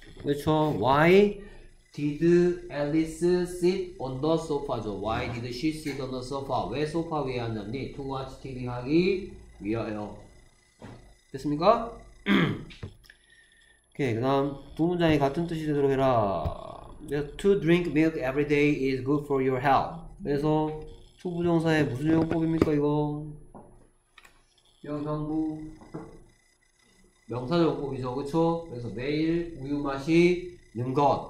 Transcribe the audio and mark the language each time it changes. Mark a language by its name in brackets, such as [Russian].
[Korean] 그렇죠? [English] Why did Alice sit on the sofa죠? Why did she sit on the sofa? [Korean] 왜 소파 위에 앉았니? [English] To watch TV [Korean] 하기 위하여. 됐습니까? 오케이, 그 다음 두 문장이 같은 뜻이 되도록 해라. [English] To drink milk every day is good for your health. [Korean] 그래서 to 부정사의 무슨 용법입니까 이거? 명상부 명사 용법이죠, 그쵸? 그래서 매일 우유 맛이 는 것.